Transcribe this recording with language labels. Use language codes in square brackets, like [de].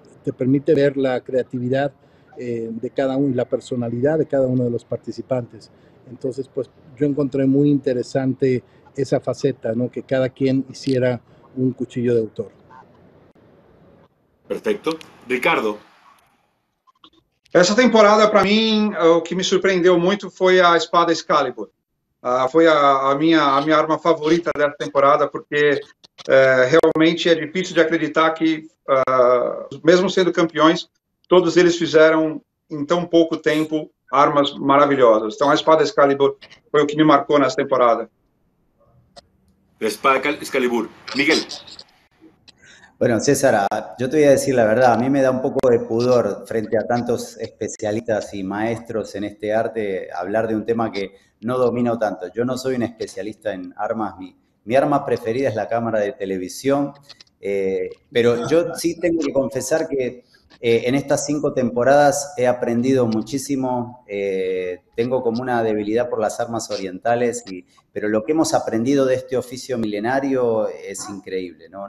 [es] te permite ver la creatividad de cada uno y la personalidad de cada uno de los participantes. Entonces, pues yo encontré muy interesante esa faceta, ¿no? Que cada quien hiciera un cuchillo de autor. Perfecto. Ricardo. [pt] Essa temporada, para mim, o que me surpreendeu muito foi a espada Excalibur. Foi a minha arma favorita dessa temporada, porque realmente é difícil de acreditar que, mesmo sendo campeões, todos eles fizeram, em tão pouco tempo, armas maravilhosas. Então, a espada Excalibur foi o que me marcou nessa temporada. Espada Excalibur. Miguel. [es] Bueno, César, yo te voy a decir la verdad, a mí me da un poco de pudor frente a tantos especialistas y maestros en este arte hablar de un tema que no domino tanto. Yo no soy un especialista en armas, mi arma preferida es la cámara de televisión, pero yo sí tengo que confesar que en estas 5 temporadas he aprendido muchísimo, tengo como una debilidad por las armas orientales, pero lo que hemos aprendido de este oficio milenario es increíble, ¿no?